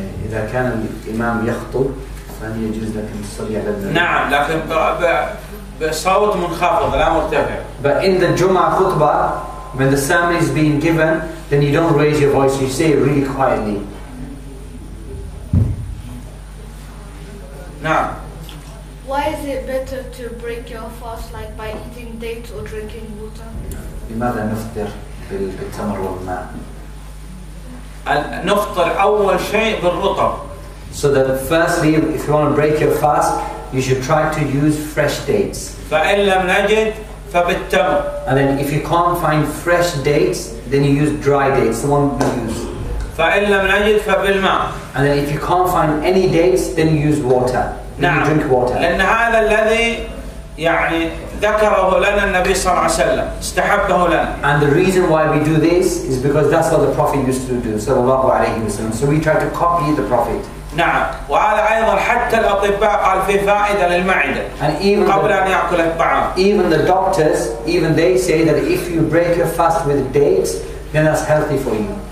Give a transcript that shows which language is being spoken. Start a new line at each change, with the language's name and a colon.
Arabic: إذا كان الإمام يخطب فهل يجوز لك أن تصلي على الناس؟ نعم لكن صوت منخفض لا مرتفع.
English: But in the Jummah khutbah, when the sermon is being given, then you don't raise your voice. You say it really quietly.
Arabic: نعم.
English: Why is it better to break your fast like by eating dates or drinking water?
Arabic: لماذا نفطر بالتمر والماء؟ نفطر أول شيء بالرطب.
English: So that firstly, if you want to break your fast, you should try to use fresh dates.
Arabic: فإن لم نجد فبالتمر.
English: And then if you can't find fresh dates, then you use dry dates, the one we use.
Arabic: فإن لم نجد فبالماء.
English: And then if you can't find any dates, then you use water. Then you drink water.
Arabic: لأن هذا الذي يعني ذكره لنا النبي صلى الله عليه وسلم استحبه لنا.
English: And the reason why we do this is because that's what the Prophet used to do,
Arabic: صلى الله عليه وسلم.
English: So we try to copy the Prophet.
Arabic: نعم. وهذا أيضا حتى الأطباء قال في فائدة للمعدة.
English: And even
Arabic: قبل أن يأكل الطعام.
English: Even the doctors, even they say that if you break your fast with dates, then that's healthy for you.